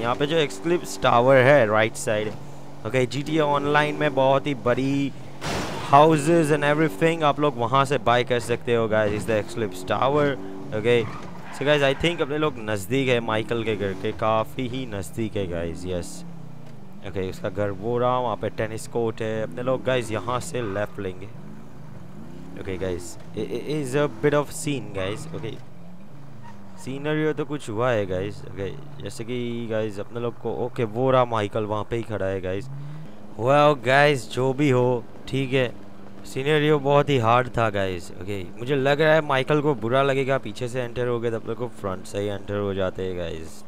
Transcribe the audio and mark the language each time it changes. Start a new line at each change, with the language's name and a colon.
Hindi: यहाँ पर जो एक्लिप्स टावर है right side, okay, GTA online में बहुत ही बड़ी
English: houses and everything,
Hindi: आप लोग वहाँ से buy कर सकते हो guys,
English: is the Eclipse Tower, okay? So guys, I think
Hindi: अपने लोग नज़दीक है माइकल के घर के, काफ़ी ही नज़दीक है guys, yes. Okay, उसका घर वो रहा, वहाँ पर टेनिस कोर्ट है। अपने लोग guys यहाँ से left लेंगे।
English: Okay guys, it is a bit of scene guys, okay?
Hindi: Scenery तो कुछ हुआ है guys, okay? जैसे कि guys अपने लोग को, okay, वो रहा माइकल वहाँ पर ही खड़ा है guys. Well guys, जो भी हो ठीक है, सीनेरियो बहुत ही हार्ड था गाइस। ओके, मुझे लग रहा है माइकल को बुरा लगेगा पीछे से एंटर हो गए तो अपने को फ्रंट से ही एंटर हो जाते हैं गाइस।